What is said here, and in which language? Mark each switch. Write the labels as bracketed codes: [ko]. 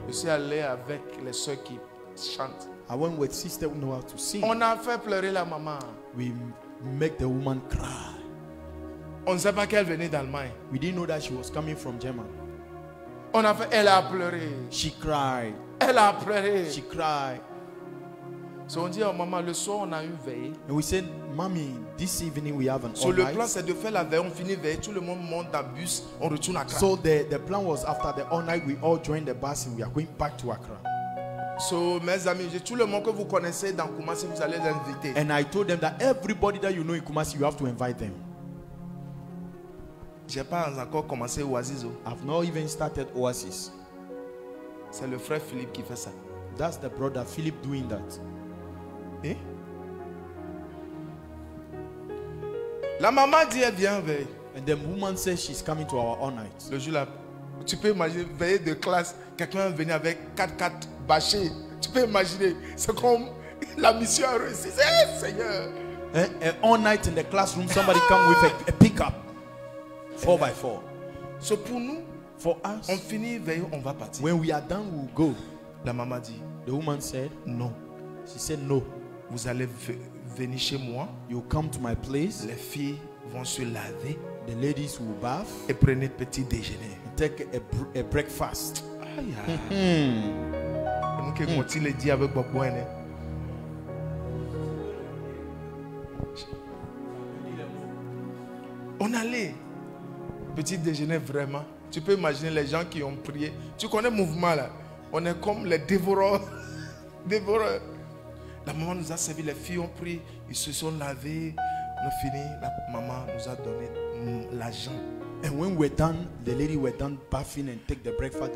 [fr] Je suis allé avec les sœurs qui chantent. [en] I went with sister who know how to sing. [fr] On a fait pleurer la maman. [en] We make the woman cry. [fr] On ne sait pas qu'elle venait d'Allemagne. [en] We didn't know that she was coming from Germany. [fr] On a fait, elle a pleuré. [en] She cried. [fr] Elle a pleuré. [en] She cried. [fr] So on dit, oh, maman, le soir on a une veille. [en] And we said, mommy, this evening we have an all-night. [fr] So le plan c'est de faire la veille, on finit veille, tout le monde monte dans bus, on retourne à Accra. [en] So the plan was after the all night we all joined the bus and we are going back to Accra. [fr] So mes amis, j'ai tout le monde que vous connaissez dans Kumasi, vous allez l'inviter. [en] And I told them that everybody that you know in Kumasi, you have to invite them. [fr] J'ai pas encore commencé Oasis. [en] I've not even started Oasis. [fr] C'est le frère Philippe qui fait ça. [en] That's the brother Philippe doing that. Eh? [fr] La maman dit elle vient veille. [en] And the woman says she's coming to our all night. [fr] Le jour là, tu peux imaginer veille de classe, quelqu'un est venu avec 4x4 bâché. Tu peux imaginer, c'est comme la mission a réussi. Hey, Seigneur. [en] All night in the classroom, somebody come with a pickup. 4x4. [fr] So pour nous, [en] for us, [fr] on finit veille, on va partir. [en] When we are done, we'll go. [fr] La maman dit, [en] the woman said, [fr] non. [en] She said no. [fr] Vous allez venir chez moi. [en] You come to my place. [fr] Les filles vont se laver. [en] The ladies will bath. [fr] Et prenez petit déjeuner. [en] Take a breakfast. Aïe. [fr] Nous qui continuons les dire avec beaucoup de bonheur. On allait. Petit déjeuner vraiment. Tu peux imaginer les gens qui ont prié. Tu connais le mouvement là. On est comme les dévoreurs. Dévoreurs. La maman nous a servi, les filles ont pris, ils se sont lavés, on a fini, la maman nous a donné l'argent. [en] And when we're done, the lady were done bathing and take the breakfast.